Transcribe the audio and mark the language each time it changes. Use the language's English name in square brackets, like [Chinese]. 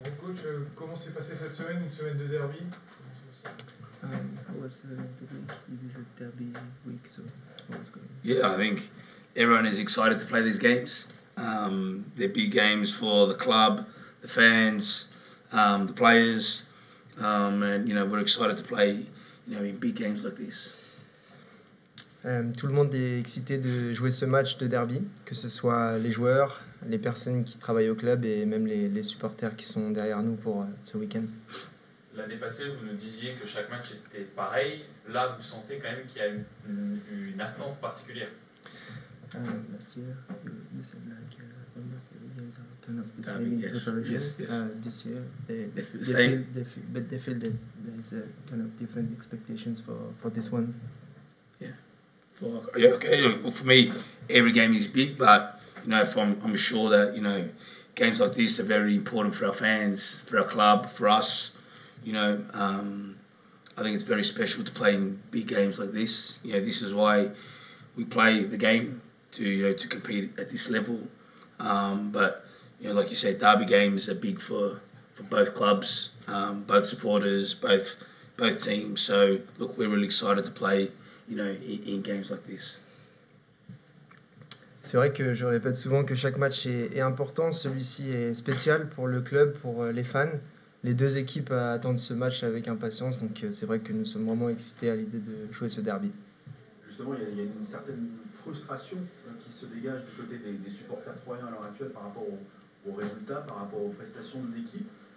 [French] coach, comment s'est passée cette semaine, une semaine de derby? [English] How was the week? It is a derby week, so how was going? Yeah, I think everyone is excited to play these games. They're big games for the club, the fans, the players, and you know, we're excited to play, you know, in big games like this. [French] Tout le monde est excité de jouer ce match de derby, que ce soit les joueurs, les personnes qui travaillent au club et même les supporters qui sont derrière nous pour ce week-end. L'année passée, vous nous disiez que chaque match était pareil. Là, vous sentez quand même qu'il y a une attente particulière. [English] Last year, you said like almost every game is kind of the same in preparation. Yes, yes. This year, they feel that there is a kind of different expectations for this one. For me, every game is big, but you know, I'm sure that you know, games like this are very important for our fans, for our club, for us. You know, I think it's very special to play in big games like this. You know, this is why we play the game, to you know, to compete at this level. But you know, like you said, derby games are big for both clubs, both supporters, both teams. So look, we're really excited to play, you know, in games like this. [French] C'est vrai que je répète souvent que chaque match est important. Celui-ci est spécial pour le club, pour les fans. Les deux équipes attendent ce match avec impatience, donc c'est vrai que nous sommes vraiment excités à l'idée de jouer ce derby. Justement, il y a une certaine frustration qui se dégage du côté des supporters troyens à l'heure actuelle par rapport aux résultats, par rapport aux prestations de l'équipe.